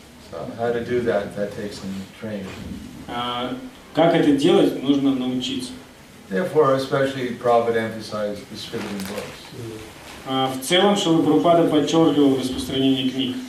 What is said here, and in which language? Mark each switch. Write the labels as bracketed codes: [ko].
[en] So how to do that, that takes some training. [ru] Как это делать, нужно научиться. [en] Therefore, especially Prabhupada emphasized distributing books. [ru] В целом, чтобы Прабхупада подчеркивал распространение книг.